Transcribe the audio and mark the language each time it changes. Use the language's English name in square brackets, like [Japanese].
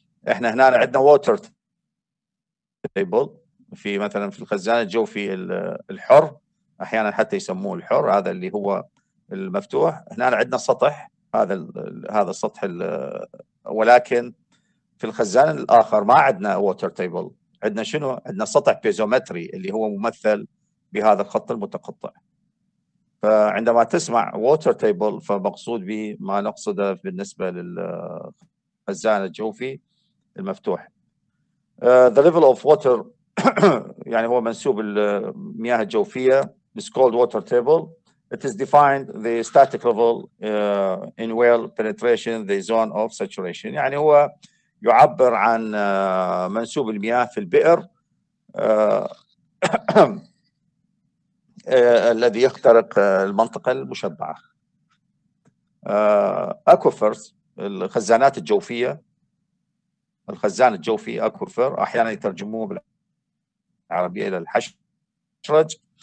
[Arabic] احنا هنا عندنا water table في مثلا في الخزان الجوفي الحر، احيانا حتى يسموه الحر هذا اللي هو المفتوح، هنا عندنا سطح هذا السطح، ولكن في الخزان الاخر ما عندنا water table، عندنا شنو؟ عندنا سطح بيزومتري اللي هو ممثل بهذا الخط المتقطع. فعندما تسمع water table فمقصود به ما نقصده بالنسبة للخزان الجوفي المفتوح. [English] The level of water [Arabic] يعني هو منسوب المياه الجوفية [English] is called water table، It is defined the static level in well penetration, the zone of saturation. [Arabic] يعني هو يعبر عن منسوب المياه في البئر الذي يخترق المنطقة المشبعة. Aquifers, الخزانات الجوفية. الخزان الجوفي aquifer أحيانا يترجموه بالعربية إلى الحشرج.